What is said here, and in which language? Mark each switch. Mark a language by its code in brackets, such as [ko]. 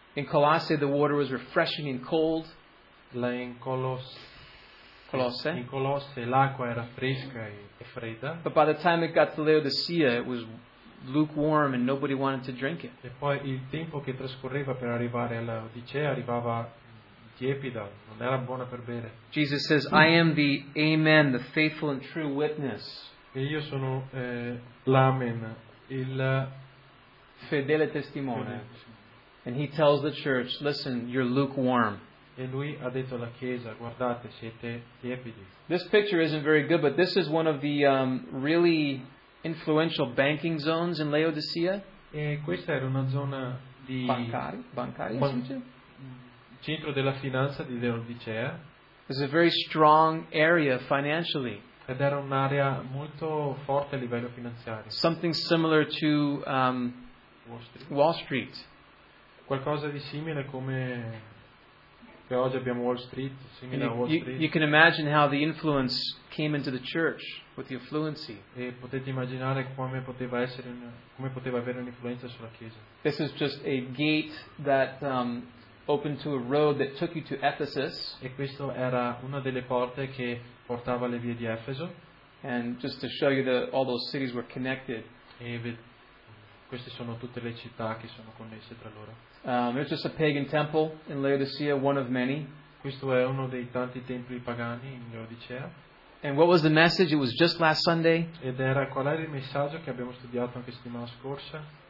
[en] In Colossae, the water was refreshing and cold. [it] Là in Colosse l'acqua era fresca e fredda. [en] But by the time it got to Laodicea, it was lukewarm and nobody wanted to drink it. [it] E poi il tempo che trascorreva per arrivare a Laodicea arrivava tiepida, non era buona per bere. [en] Jesus says, "I am the Amen, the faithful and true witness." [it] E io sono l'Amen, il fedele testimone. [en] And he tells the church, "Listen, you're lukewarm." [it] E lui ha detto alla chiesa, guardate, siete tiepidi. [en] This picture isn't very good, but this is one of the really influential banking zones in Laodicea. [it] E questa era una zona di bancari. Centro della finanza di Laodicea. [en] It's a very strong area financially. [it] Ed era un'area molto forte a livello finanziario. [en] Something similar to Wall Street. [it] Qualcosa di simile come che oggi abbiamo Wall Street, simile a Wall Street. [en] You can imagine how the influence came into the church with the affluency. [it] E potete immaginare come poteva essere, come poteva avere un'influenza sulla chiesa. [en] This is just a gate that opened to a road that took you to Ephesus. [it] E questo era una delle porte che portava alle vie di Efeso. [en] And just to show you that all those cities were connected. [it] Queste sono tutte le città che sono connesse tra loro. [en] It's just a pagan temple in Laodicea, one of many. [it] Questo è uno dei tanti templi pagani in Laodicea. [en] And what was the message? It was just last Sunday. [it] Ed era qual era il messaggio che abbiamo studiato anche settimana scorsa?